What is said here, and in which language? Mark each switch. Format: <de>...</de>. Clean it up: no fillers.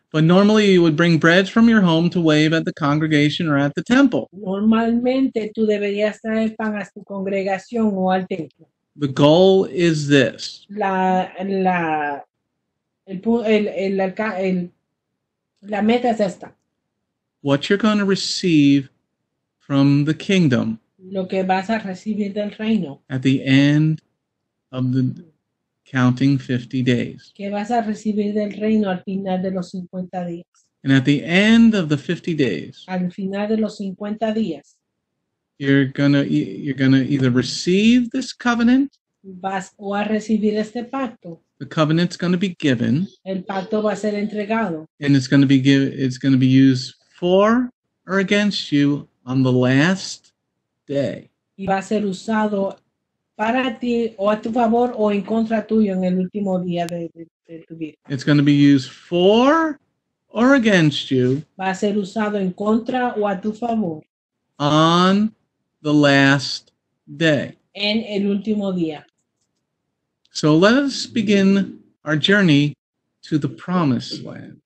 <en>But normally you would bring bread from your home to wave at the congregation or at the temple.</en> <es>Normalmente tú deberías traer pan a tu congregación o al templo.</es> <en>The goal is this.</en> <es>La meta es esta.</es> <en>What you're going to receive from the kingdom.</en> <es>Lo que vas a recibir del reino.</es> <en>At the end of the counting 50 days.</en> <es>Que vas a recibir del reino al final de los 50 días.</es> <en>And at the end of the 50 days.</en> <es>Al final de los 50 días.</es> <en>You're gonna either receive this covenant.</en> <es>Vas o a recibir este pacto.</es> <en>The covenant's gonna be given.</en> <es>El pacto va a ser entregado.</es> <en>And it's gonna be used for or against you on the last day.</en> <es>Y va a ser usado para ti o a tu favor o en contra tuyo en el último día de tu vida.</es> <en>It's going to be used for or against you.</en> <es>Va a ser usado en contra o a tu favor.</es> <en>On the last day.</en> <es>En el último día.</es> <en>So let us begin our journey to the promised land.</en>